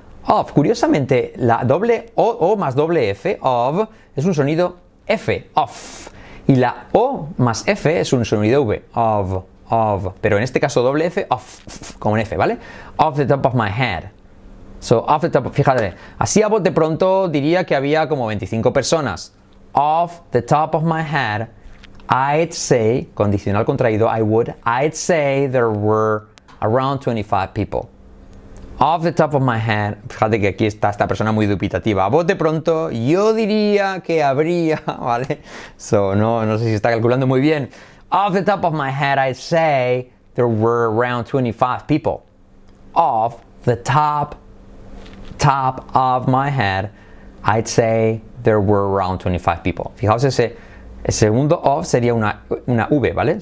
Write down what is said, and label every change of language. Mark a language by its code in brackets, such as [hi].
[es] Off, curiosamente, la doble O más doble F, of, es un sonido F, off. Y la O más F es un sonido V, of, of. Pero en este caso doble F, off, como en F, ¿vale? [en] Off the top of my head. [es] So, [en] off the top, [es] fíjate. Así a bote pronto diría que había como 25 personas. [en] Off the top of my head, I'd say, [es] condicional contraído, [en] I'd say there were around 25 people. Off the top of my head, [es] fíjate que aquí está esta persona muy dubitativa. A bote pronto, yo diría que habría, ¿vale? So, no sé si está calculando muy bien. [en] Off the top of my head, I'd say there were around 25 people. Off the top of my head, I'd say there were around 25 people. [es] Fijaos ese, el segundo off sería una V, ¿vale?